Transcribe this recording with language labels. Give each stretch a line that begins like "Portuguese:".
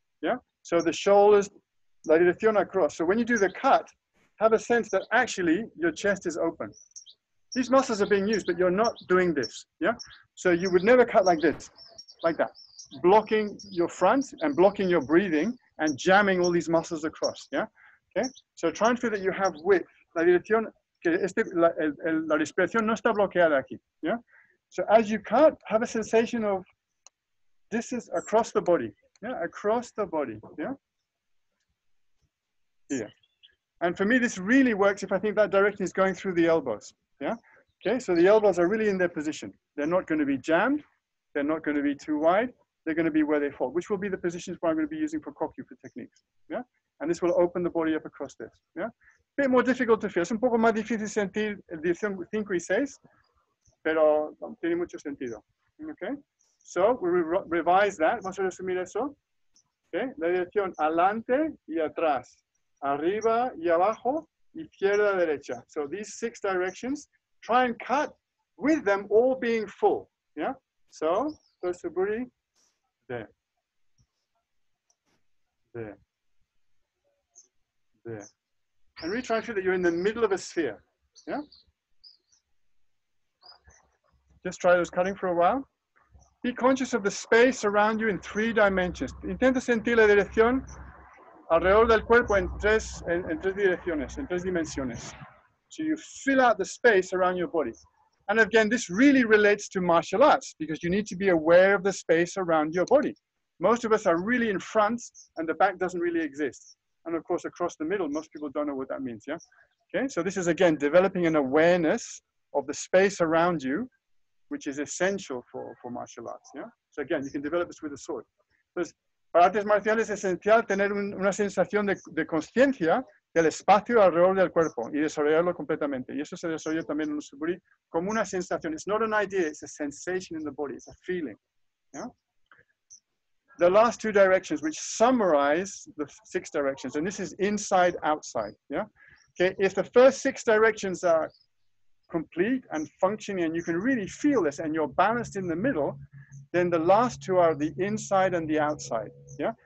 English: Yeah, so the shoulders,
Spanish: la dirección
English: across. So when you do the cut, have a sense that actually your chest is open. These muscles are being used, but you're not doing this. Yeah. So you would never cut like this, like that, blocking your front and blocking your breathing and jamming all these muscles across. Yeah. Okay. So try and feel that you have width.
Spanish: La dirección, que este, la respiración no está bloqueada aquí.
English: Yeah. So as you cut, have a sensation of distance across the body. Yeah. Across the body. Yeah. Yeah. And for me, this really works if I think that direction is going through the elbows. Yeah. Okay. So the elbows are really in their position. They're not going to be jammed. They're not going to be too wide. They're going to be where they fall, which will be the positions where I'm going to be using for kokyu for techniques. Yeah. And this will open the body up across this. Yeah. A bit more difficult to feel.
Spanish: Es un poco más difícil sentir el 5 y 6, pero tiene mucho sentido.
English: Okay. So we revise that.
Spanish: Vamos a resumir eso.
English: Okay.
Spanish: La dirección adelante y atrás. Arriba y abajo, izquierda, derecha.
English: So these six directions, try and cut with them all being full. Yeah? So, first suburi, there. There. There. And really try and feel that you're in the middle of a sphere. Yeah? Just try those cutting for a while. Be conscious of the space around you in three dimensions.
Spanish: Intenta sentir la dirección alrededor del cuerpo en tres direcciones, en tres dimensiones.
English: So you fill out the space around your body. And again, this really relates to martial arts because you need to be aware of the space around your body. Most of us are really in front and the back doesn't really exist. And of course, across the middle, most people don't know what that means, yeah? Okay, so this is again, developing an awareness of the space around you, which is essential for martial arts, yeah? So again, you can develop this with a sword.
Spanish: There's, para artes marciales es esencial tener una sensación de consciencia del espacio alrededor del cuerpo y desarrollarlo completamente. Y eso se desarrolla también en un suburi como una sensación.
English: It's not an idea, it's a sensation in the body, it's a feeling. Yeah? The last two directions, which summarize the six directions, and this is inside, outside. Yeah? Okay, if the first six directions are complete and functioning and you can really feel this and you're balanced in the middle, then the last two are the inside and the outside, yeah?